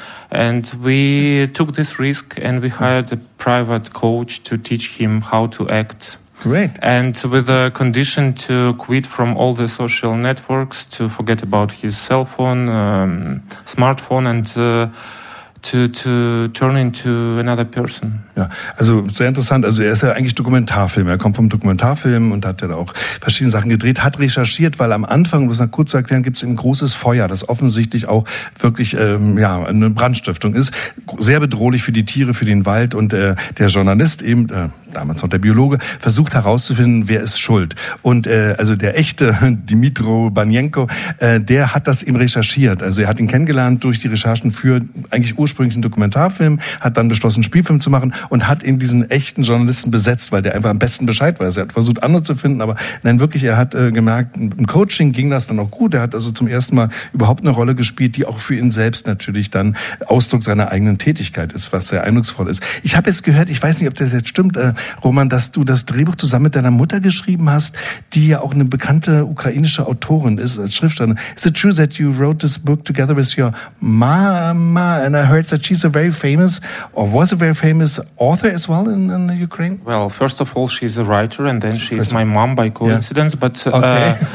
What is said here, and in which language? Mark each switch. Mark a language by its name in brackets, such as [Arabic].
[English] And we took this risk and we hired a private coach to teach him how to act. Great. And with a condition to quit from all the social networks, to forget about his cell phone, smartphone, and to turn into another person. [German] Ja, also sehr interessant. Also er ist ja eigentlich Dokumentarfilm. Er kommt vom Dokumentarfilm und hat ja da auch verschiedene Sachen gedreht, hat recherchiert, weil am Anfang, um es noch kurz zu erklären, gibt es ein großes Feuer, das offensichtlich auch wirklich eine Brandstiftung ist. Sehr bedrohlich für die Tiere, für den Wald. Und der Journalist eben, damals noch der Biologe, versucht herauszufinden, wer ist schuld. Und also der echte Dmytro Banenko, der hat das eben recherchiert. Also er hat ihn kennengelernt durch die Recherchen für eigentlich ursprünglich einen Dokumentarfilm, hat dann beschlossen, einen Spielfilm zu machen und hat ihn diesen echten Journalisten besetzt, weil der einfach am besten Bescheid weiß. Er hat versucht, andere zu finden, aber nein, wirklich, er hat gemerkt, im Coaching ging das dann auch gut. Er hat also zum ersten Mal überhaupt eine Rolle gespielt, die auch für ihn selbst natürlich dann Ausdruck seiner eigenen Tätigkeit ist, was sehr eindrucksvoll ist. Ich habe jetzt gehört, ich weiß nicht, ob das jetzt stimmt, Roman, dass du das Drehbuch zusammen mit deiner Mutter geschrieben hast, die ja auch eine bekannte ukrainische Autorin ist, als Schriftstellerin. [English] Is it true that you wrote this book together with your mama? And I heard that she's a very famous, or was a very famous author as well in Ukraine? Well, first of all, she's a writer, and then she's my mom by coincidence. Yeah. But okay.